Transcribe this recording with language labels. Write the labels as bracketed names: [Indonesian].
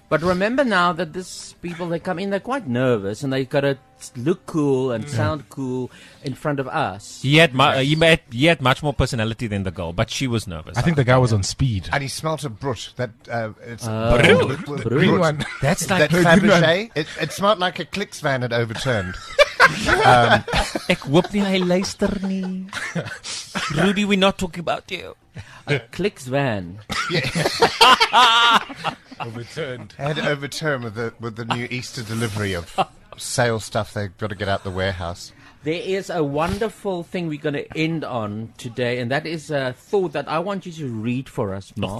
[English] But remember now that these people, they come in, they're quite nervous, and they got to look cool and sound cool in front of us. He had much more personality than the girl, but she was nervous. I think the guy was on speed. And he smelt a brut. That, it's brut. Green one. That's like that Fabergé. It smelt like a Clicks van had overturned. [Afrikaans] Ek whoop nie, hy luister nie. [English] Rudy, we're not talking about you. A Clicks van. Overturned. Head overturned with the new Easter delivery of sale stuff they've got to get out the warehouse. There is a wonderful thing we're going to end on today, and that is a thought that I want you to read for us, Mark.